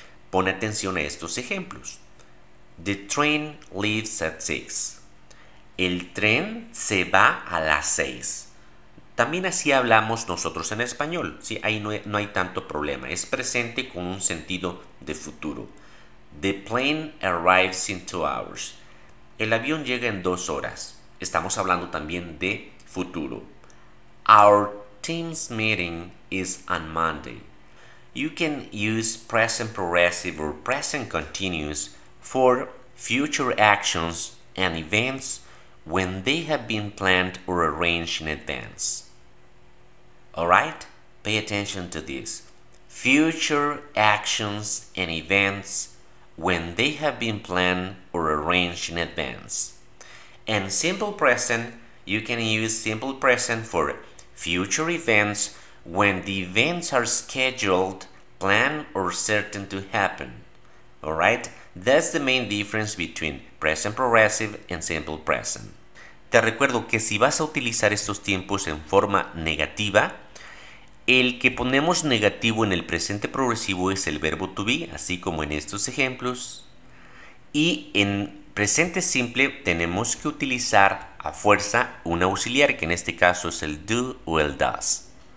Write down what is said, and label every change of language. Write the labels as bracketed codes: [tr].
[es] Pon atención a estos ejemplos. [en] The train leaves at 6. [es] El tren se va a las 6. También así hablamos nosotros en español. Sí, ahí no hay tanto problema. Es presente con un sentido de futuro. [en] The plane arrives in 2 hours. [es] El avión llega en 2 horas. Estamos hablando también de futuro. [en] Our team's meeting is on Monday. You can use present progressive or present continuous for future actions and events when they have been planned or arranged in advance. All right? Pay attention to this. Future actions and events when they have been planned or arranged in advance. And simple present, you can use simple present for future events when the events are scheduled, planned, or certain to happen. All right? That's the main difference between present progressive and simple present. [es] Te recuerdo que si vas a utilizar estos tiempos en forma negativa, el que ponemos negativo en el presente progresivo es el verbo to be, así como en estos ejemplos. Y en presente simple tenemos que utilizar a fuerza un auxiliar, que en este caso es el do o el does.